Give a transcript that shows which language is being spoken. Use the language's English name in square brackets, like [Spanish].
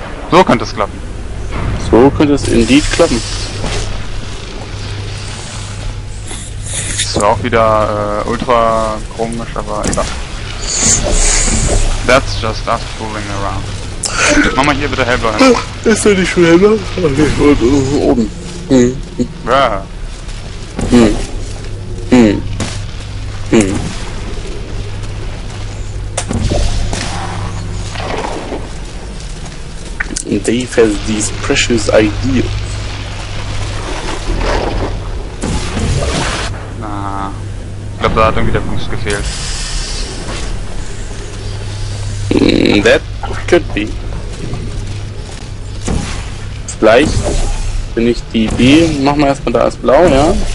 [German] So könnte es klappen. So könnte es indeed klappen. Das war auch wieder ultra komisch, aber egal. [English] That's just us fooling around. [German] Mach mal hier bitte hellblau hin. Ist der nicht schon hellblau? Okay, oben. Ja. [English] Dave has these precious ideas. [German] Na, ich glaube, da hat irgendwie der Boost gefehlt. [English] That could be. [German] Gleich bin ich die B. Machen wir erstmal da als blau, ja?